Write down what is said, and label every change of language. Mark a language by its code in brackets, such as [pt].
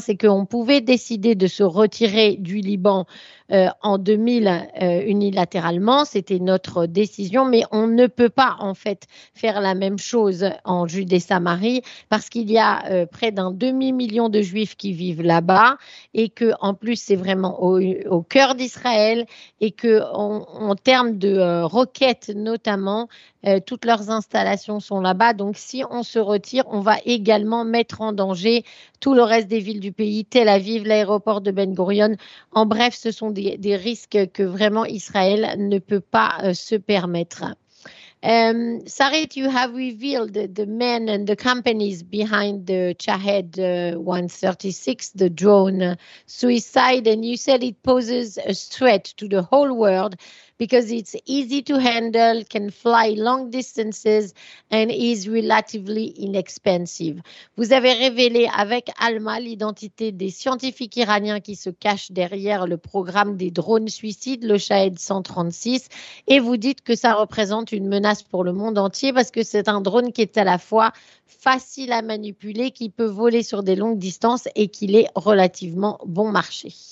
[fr] C'est qu'on pouvait décider de se retirer du Liban en 2000 unilatéralement, c'était notre décision, mais on ne peut pas en fait faire la même chose en Judée-Samarie parce qu'il y a près d'un demi-million de Juifs qui vivent là-bas et que en plus c'est vraiment au cœur d'Israël et que en termes de roquettes notamment, toutes leurs installations sont là-bas. Donc si on se retire, on va également mettre en danger tout le reste des villes du pays, Tel Aviv, l'aéroport de Ben Gurion. En bref, ce sont des risques que vraiment Israël ne peut pas se permettre. [en] Sarit, you have revealed the men and the companies behind the Chahed 136, the drone suicide, and you said it poses a threat to the whole world because it's easy to handle, can fly long distances, and is relatively inexpensive. [fr] Vous avez révélé avec Alma l'identité des scientifiques iraniens qui se cachent derrière le programme des drones suicides, le Shahed 136, et vous dites que ça représente une menace pour le monde entier parce que c'est un drone qui est à la fois facile à manipuler, qui peut voler sur des longues distances et qu'il est relativement bon marché.